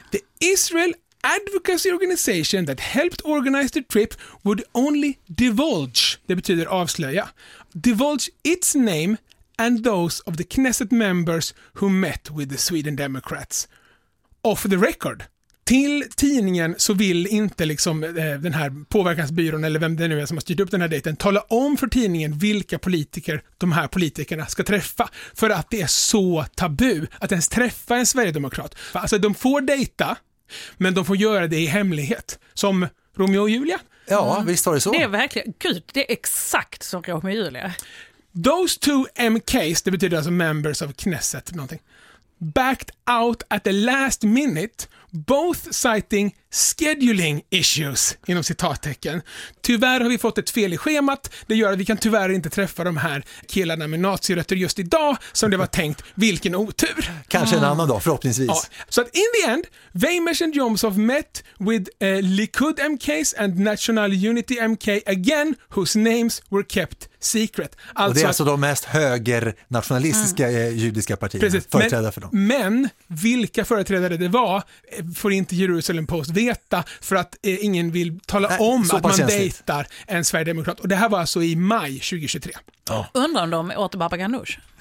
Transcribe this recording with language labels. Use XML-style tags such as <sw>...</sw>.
<en>The Israel advocacy organization that helped organize the trip would only divulge,</en> <sv>det betyder avslöja,</sv> <en>divulge its name and those of the Knesset members who met with the Sweden Democrats. off the record.</en> <sv>Till tidningen så vill inte liksom den här påverkansbyrån eller vem det nu är som har styrt upp den här dejten tala om för tidningen vilka politiker de här politikerna ska träffa. För att det är så tabu att ens träffa en sverigedemokrat. Alltså de får dejta, men de får göra det i hemlighet. Som Romeo och Julia. Ja, visst var det så. Det är verkligen, gud, det är exakt som Romeo och Julia.</sv> <en>Those two MKs,</en> <sv>det betyder alltså</sv> <en>members of Knesset,</en> <sv>någonting,</sv> <en>backed out at the last minute, both citing scheduling issues,</en> <sv>inom citattecken. Tyvärr har vi fått ett fel i schemat. Det gör att vi kan tyvärr inte träffa de här killarna med nazirötter just idag som det var tänkt. Vilken otur. Kanske en annan dag, förhoppningsvis. Ja. Så att</sv> <en>in the end, Weymouth and Jomshof met with Likud MKs and National Unity MK again, whose names were kept secret.</en> <sv>Alltså, och det är alltså de mest högernationalistiska judiska partierna, företrädare för dem. Men vilka företrädare det var får inte Jerusalem Post veta, för att ingen vill tala om att man dejtar en sverigedemokrat. Och det här var alltså i maj 2023. Ja. Undrar om de åter Baba Ghanoush.</sv>